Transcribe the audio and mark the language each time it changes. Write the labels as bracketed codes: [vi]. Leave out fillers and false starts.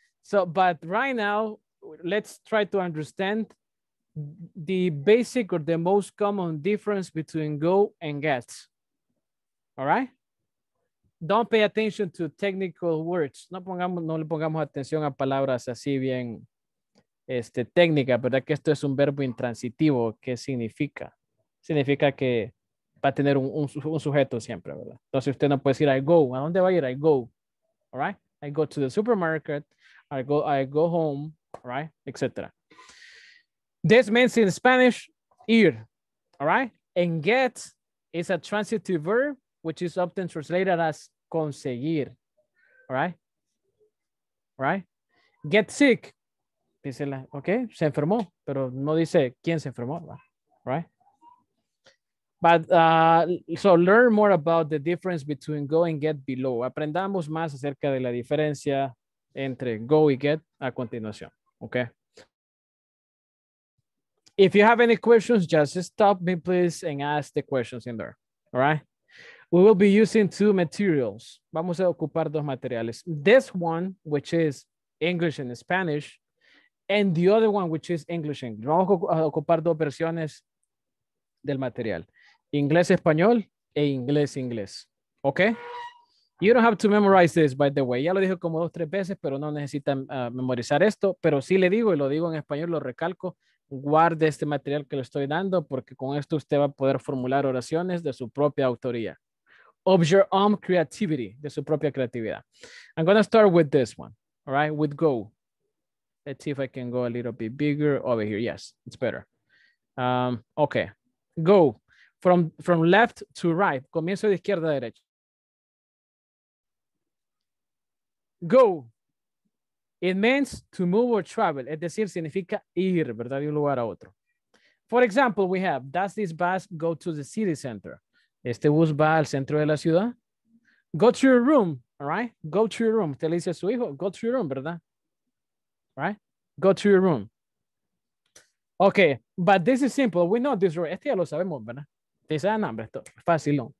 [en] So, but right now, let's try to understand the basic or the most common difference between go and get. All right? don't pay attention to technical words. [es] No pongamos, no le pongamos atención a palabras así bien técnica, ¿verdad? Que esto es un verbo intransitivo. ¿Qué significa? Significa que va a tener un sujeto siempre, ¿verdad? Entonces usted no puede decir, I go. ¿A dónde va a ir? I go. All right? [en] I go to the supermarket. I go home. All right? Etcétera. This means in Spanish, ir. All right? And get is a transitive verb, which is often translated as conseguir. All right? All right? Get sick. [es] Dice la, okay, se enfermó, pero no dice quién se enfermó, right? [en] But so learn more about the difference between go and get below. [es] Aprendamos más acerca de la diferencia entre go y get a continuación, okay? [en] If you have any questions, just stop me, please, and ask the questions in there, all right? We will be using two materials. [es] Vamos a ocupar dos materiales. [en] This one, which is English and Spanish, and the other one, which is English and English. [es] Vamos a ocupar dos versiones del material. Inglés-Español e Inglés-Inglés. ¿Ok? [en] You don't have to memorize this, by the way. [es] Ya lo dije como dos, tres veces, pero no necesitan memorizar esto. Pero sí le digo, y lo digo en español, lo recalco, guarde este material que le estoy dando, porque con esto usted va a poder formular oraciones de su propia autoría. [en] Of your own creativity, [es] de su propia creatividad. [en] I'm going to start with this one, all right, with go. Let's see if I can go a little bit bigger over here. Yes, it's better. Okay. Go. From left to right. [es] Comienzo de izquierda a derecha. [en] Go. It means to move or travel. [es] Es decir, significa ir, ¿verdad? De un lugar a otro. [en] For example, we have, does this bus go to the city center? [es] ¿Este bus va al centro de la ciudad? [en] Go to your room, all right? Go to your room. [es] Usted le dice a su hijo, [en] go to your room, ¿verdad? Right? Go to your room. Okay, but this is simple. We know this word. [es] Este ya lo sabemos, ¿verdad? Dice, ah, no, hombre, esto es fácil, no.